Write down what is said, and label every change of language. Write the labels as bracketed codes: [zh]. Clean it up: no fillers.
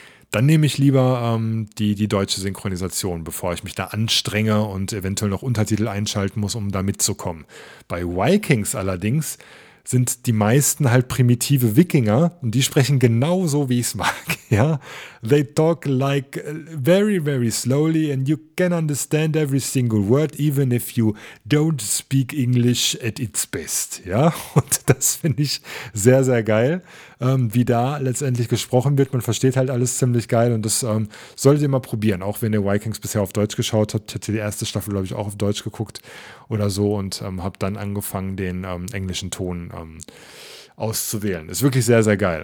[de] Dann nehme ich lieber die deutsche Synchronisation, bevor ich mich da anstrenge und eventuell noch Untertitel einschalten muss, um da mitzukommen. Bei Vikings allerdings sind die meisten halt primitive Wikinger und die sprechen genauso, wie ich es mag. Ja? [en] They talk like very, very slowly and you can understand every single word, even if you don't speak English at its best. [de] Ja? Und das finde ich sehr, sehr geil, wie da letztendlich gesprochen wird. Man versteht halt alles ziemlich geil und das solltet ihr mal probieren, auch wenn ihr Vikings bisher auf Deutsch geschaut habt. Hätte die erste Staffel, glaube ich, auch auf Deutsch geguckt oder so und habe dann angefangen, den englischen Ton auszuwählen. Ist wirklich sehr, sehr geil.